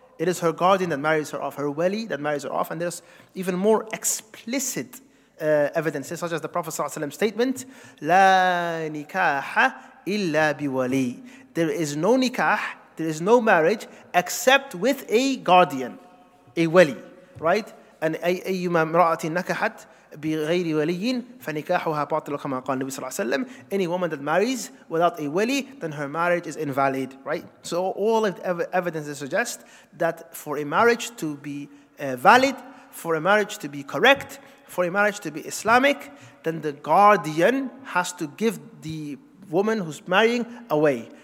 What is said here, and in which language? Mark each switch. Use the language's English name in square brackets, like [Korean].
[English] It is her guardian that marries her off, her wali that marries her off. And there's even more explicit evidences, such as the Prophet ﷺ statement, [Arabic] La nikaha illa biwali. [English] There is no nikah, there is no marriage, except with a guardian, a wali, right? [Arabic] And أيما امرأة نكحت بغير ولي فنكاحها باطل كما قال النبي صلى الله عليه وسلم. [English] Any woman that marries without a wali, then her marriage is invalid, right? So all of the evidences suggest that for a marriage to be valid, for a marriage to be correct, for a marriage to be Islamic, then the guardian has to give the woman who's marrying away.